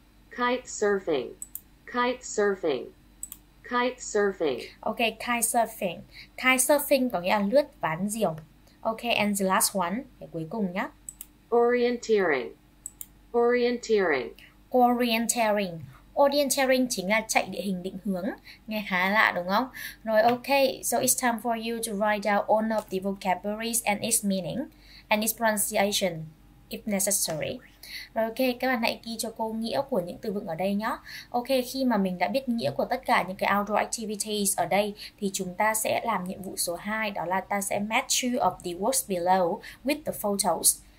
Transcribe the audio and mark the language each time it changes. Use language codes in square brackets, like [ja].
[en] kite surfing. Kite surfing. Kite surfing. Ok, kite surfing. [vi] Kite surfing có nghĩa là lướt ván diều. [en] Ok, and the last one, [vi] cái cuối cùng nhá. [en] Orienteering. Orienteering. Orienteering. [vi] Orienteering chính là chạy địa hình định hướng. Nghe khá lạ đúng không? [en] Rồi ok, so it's time for you to write down all of the vocabularies and its meaning and its pronunciation if necessary. [vi] Rồi ok, các bạn hãy ghi cho cô nghĩa của những từ vựng ở đây nhé. Ok, khi mà mình đã biết nghĩa của tất cả những cái outdoor activities ở đây thì chúng ta sẽ làm nhiệm vụ số 2, đó là ta sẽ [en] match two of the words below with the photos.